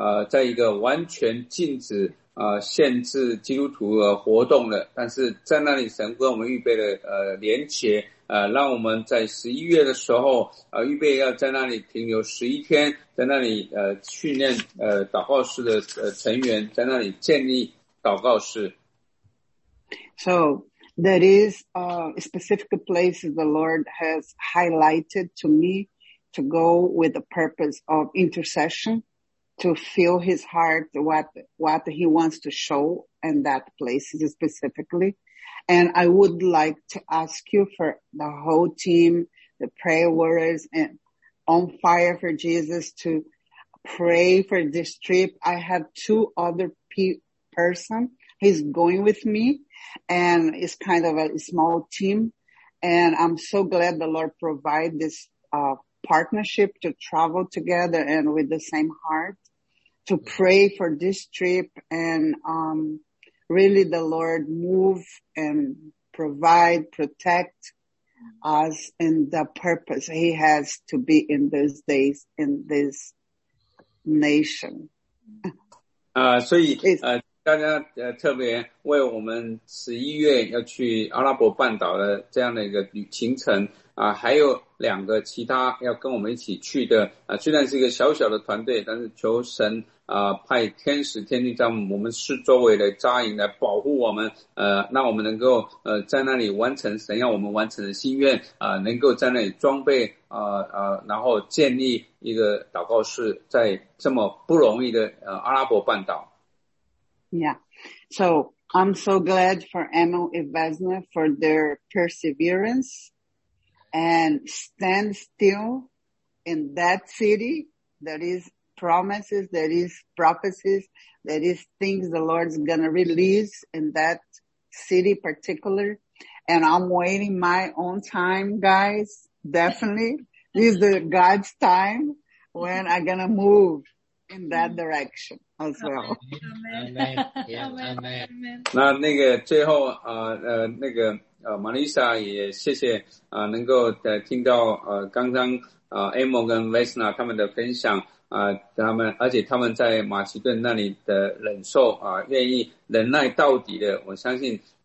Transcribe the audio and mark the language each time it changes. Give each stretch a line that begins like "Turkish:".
Chinese: 在一个完全禁止限制基督徒活动的，但是在那里神给我们预备了连结让我们在11月的时候预备要在那里停留11天，在那里训练祷告室的成员，在那里建立祷告室。
English: So that is a specific place the Lord has highlighted to me to go with the purpose of intercession to fill his heart what he wants to show in that place specifically. And I would like to ask you for the whole team, the prayer warriors and on fire for Jesus to pray for this trip. I have two other person. He's going with me and it's kind of a small team. And I'm so glad the Lord provide this partnership to travel together and with the same heart to pray for this trip and, really the Lord move and provide, protect us in the purpose he has to be in those days, in this nation.
Chinese: 所以大家特别为我们11月要去阿拉伯半岛的这样的一个旅行程还有两个其他要跟我们一起去的虽然是一个小小的团队，但是求神派天使天君在我们四周围的扎营来保护我们让我们能够在那里完成神要我们完成的心愿能够在那里装备然后建立一个祷告室在这么不容易的阿拉伯半岛。
English: Yeah, so I'm so glad for Emil Ivesna for their perseverance and stand still in that city that is promises, that is prophecies, that is things the Lord's gonna release in that city particular. And I'm waiting my own time, guys. Definitely. This is the God's time when I'm gonna move in that direction as well. Amen. Amen.
Chinese: 那个最后那个玛丽莎也谢谢能够听到刚刚Emil 跟 Vesna 他们的分享他们而且他们在马其顿那里的忍受愿意忍耐到底的，我相信